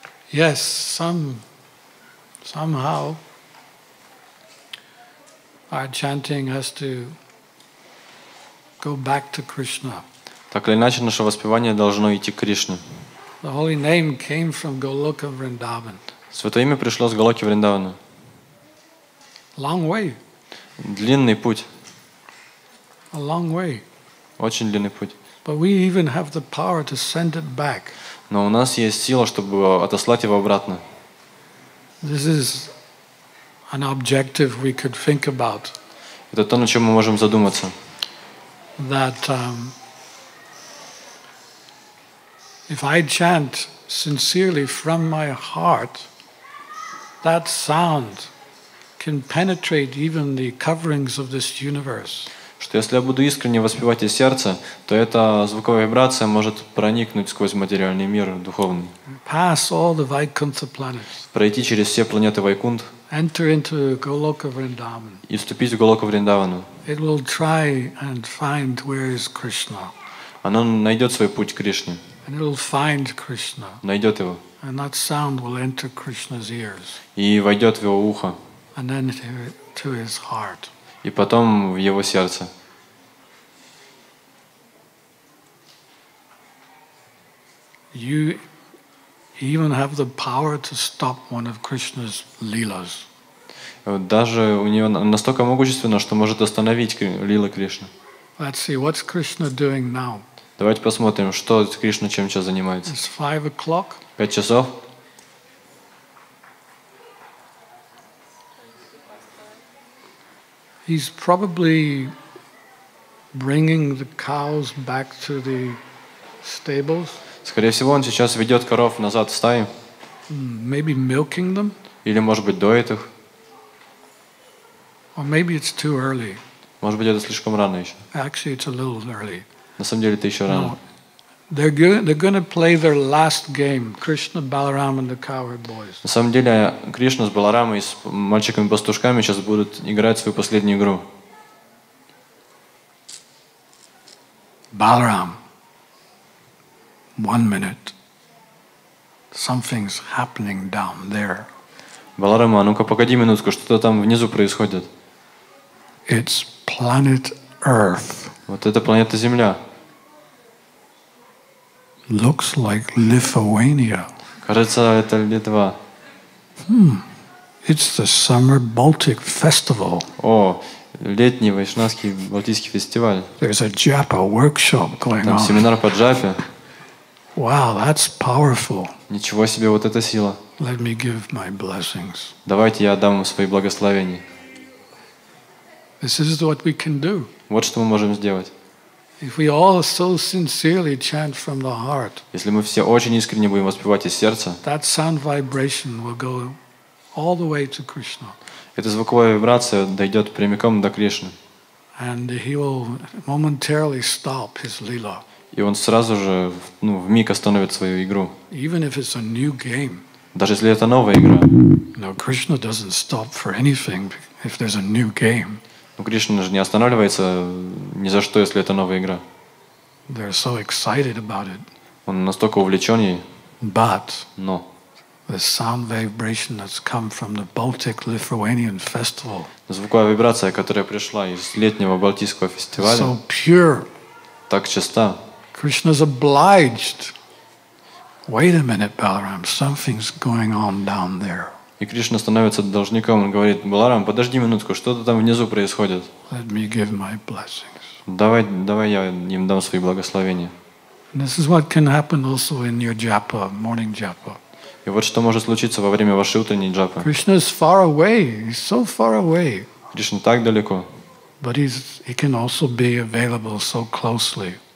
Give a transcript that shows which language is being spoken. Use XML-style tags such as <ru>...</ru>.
<en>Yes, somehow our chanting has to go back to Krishna.</en> <ru>Так или иначе, наше воспевание должно идти к Кришне.</ru> <en>The holy name came from Goloka Vrindavan.</en> <ru>Святое имя пришло с Голоки Вриндавана.</ru> <en>Long way.</en> <ru>Длинный путь.</ru> <en>A long way.</en> <ru>Очень длинный путь.</ru> <en>But we even have the power to send it back.</en> <ru>Но у нас есть сила, чтобы отослать его обратно.</ru> <en>This is an objective we could think about.</en> <ru>Это то, на чем мы можем задуматься.</ru> <en>That if I chant sincerely from my heart, that sound can penetrate even the coverings of this universe.</en> <ru>Что если я буду искренне воспевать из сердца, то эта звуковая вибрация может проникнуть сквозь материальный мир духовный.</ru> <en>Pass all the Vaikuntha planets.</en> <ru>Пройти через все планеты Вайкунт.</ru> <en>Enter into Goloka Vrindavan.</en> <ru>И вступить в Голоку Вриндавану.</ru> <en>It will try and find where is Krishna.</en> <ru>Оно найдет свой путь к Кришне.</ru> <en>And it will find Krishna.</en> <ru>Найдет его.</ru> <en>And that sound will enter Krishna's ears.</en> <ru>И войдет в его ухо.</ru> <en>And then to his heart.</en> <ru>И потом в его сердце.</ru> <en>You even have the power to stop one of Krishna's lilas.</en> <ru>Даже у него настолько могущественно, что может остановить лилы Кришны.</ru> <en>Let's see, what's Krishna doing now?</en> <ru>Давайте посмотрим, что Кришна чем сейчас занимается.</ru> <en>It's 5 o'clock.</en> <ru>5 часов.</ru> <en>He's probably bringing the cows back to the stables.</en> <ru>Скорее всего, он сейчас ведет коров назад в стаи.</ru> <en>Maybe milking them.</en> <ru>Или, может быть, доит их.</ru> <en>Or maybe it's too early.</en> <ru>Может быть, это слишком рано еще.</ru> <en>Actually, it's a little early.</en> <ru>На самом деле, это еще рано.</ru> <en>They're going to play their last game. Krishna, Balaram and the cowherd boys.</en> <ru>На самом деле, Кришна с Баларамой и с мальчиками-пастушками сейчас будут играть свою последнюю игру.</ru> <en>Balaram. 1 minute. Something's happening down there.</en> <ru>Баларама, ну-ка погоди минутку, что-то там внизу происходит.</ru> <en>It's planet Earth.</en> <ru>Вот это планета Земля.</ru> <en>Looks like Lithuania.</en> <ru>Кажется, это Литва.</ru> <en>It's the summer Baltic festival.</en> <ru>О, летний вайшнавский балтийский фестиваль.</ru> <en>There's a Japa workshop going on.</en> <ru>Там семинар по джапе.</ru> <en>Wow, that's powerful.</en> <ru>Ничего себе, вот эта сила.</ru> <en>Let me give my blessings.</en> <ru>Давайте я дам свои благословения.</ru> <en>This is what we can do.</en> <ru>Вот что мы можем сделать.</ru> <en>If we all so sincerely chant from the heart,</en> <ru>если мы все очень искренне будем воспевать из сердца,</ru> <en>that sound vibration will go all the way to Krishna.</en> <ru>Эта звуковая вибрация дойдет прямиком до Кришны.</ru> <en>And he will momentarily stop his lila.</en> <ru>И он сразу же, ну, вмиг остановит свою игру.</ru> <en>Even if it's a new game.</en> <ru>Даже если это новая игра.</ru> <en>No, Krishna doesn't stop for anything if there's a new game.</en> <ru>Но Кришна же не останавливается ни за что, если это новая игра.</ru> <en>They're so excited about it.</en> <ru>Он настолько увлечен ей.</ru> <en>But no. The sound vibration that's come from the Baltic Lithuanian festival.</en> <ru>Звуковая вибрация, которая пришла из летнего Балтийского фестиваля.</ru> <en>So pure.</en> <ru>Так чиста.</ru> <en>Krishna's obliged. Wait a minute, Balaram. Something's going on down there.</en> <ru>И Кришна становится должником. Он говорит: Баларам, подожди минутку, что-то там внизу происходит.</ru> <en>Let me give my blessings.</en> <ru>Давай я им дам свои благословения.</ru> <en>And this is what can happen also in your japa, morning japa.</en> <ru>И вот что может случиться во время вашей утренней джапы.</ru> <en>Krishna is far away. He's so far away.</en> <ru>Кришна так далеко.</ru> <en>But he can also be available so closely.</en>